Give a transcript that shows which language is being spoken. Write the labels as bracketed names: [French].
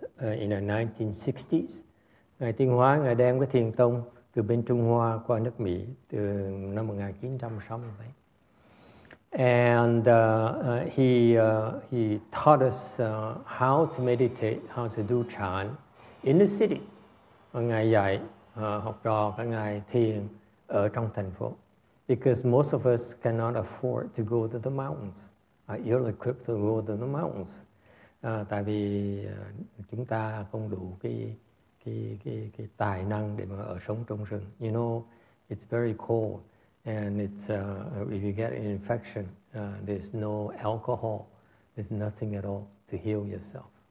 [English] In the 1960s, [Vietnamese] Ngài Tiên Hóa, Ngài đem cái thiền tông từ bên Trung Hoa qua nước Mỹ từ năm 1967. [English] And he taught us how to meditate, how to do Chan in the city. [Vietnamese] Ngài dạy học trò các ngài thiền ở trong thành phố. [English] Because most of us cannot afford to go to the mountains, are ill-equipped to go to the mountains. [Vietnamese] Tại vì chúng ta không đủ cái tài năng để mà ở sống trong rừng. [English] You know, it's very cold, and it's if you get an infection, there's no alcohol, there's nothing at all to heal yourself.